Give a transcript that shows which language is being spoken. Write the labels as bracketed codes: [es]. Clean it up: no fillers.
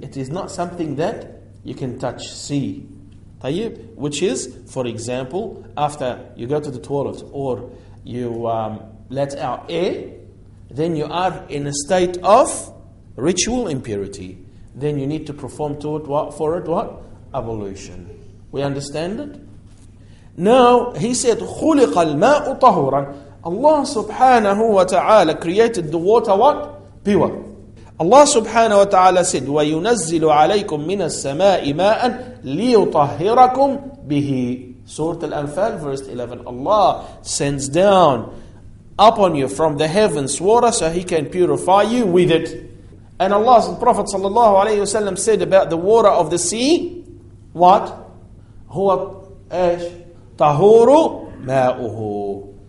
[en] It is not something that you can touch, see. Tayyib, which is, for example, after you go to the toilet or you let out air, then you are in a state of ritual impurity. Then you need to perform to it what, for it what? Ablution. We understand it? Now, he said, [ar] خُلِقَ الْمَاءُ طَهُورًا. [en] Allah subhanahu wa ta'ala created the water what? Pure. [ar] Allah subhanahu wa ta'ala said, وَيُنَزِّلُ عَلَيْكُم مِّنَ السَّمَاءِ مَاءً لِيُطَهِّرَكُم بِهِ. [en] Surah Al-Anfal, verse 11. Allah sends down upon you from the heavens water so He can purify you with it. And Allah, the Prophet sallallahu alayhi wa sallam said about the water of the sea, what? [ar] هو ايش؟ طهور ماؤه.